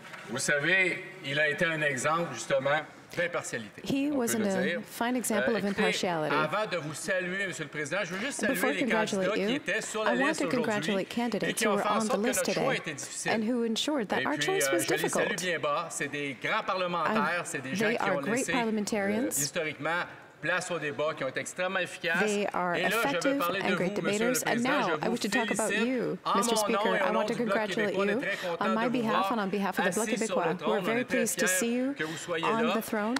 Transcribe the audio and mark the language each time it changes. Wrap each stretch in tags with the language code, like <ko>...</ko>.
<fr>Vous savez, il a été un exemple justement d'impartialité.</fr> <en>He was a fine example of impartiality.</en> <fr>Avant de vous saluer, Monsieur le Président, je veux juste saluer les candidats qui étaient sur la liste aujourd'hui.</fr> <en>I want to congratulate candidates who were on the list today and who ensured that our choice was difficult.</en> <fr>Je les salue bien bas. C'est des grands parlementaires, c'est des gens qui ont laissé historiquement place au débat qui ont été extrêmement efficaces.</fr> <en>They are effective and great debaters. And now I wish to talk about you, Mr. Speaker. I want to congratulate you on my behalf and on behalf of the Bloc Québécois. We're very pleased to see you on the throne.</en>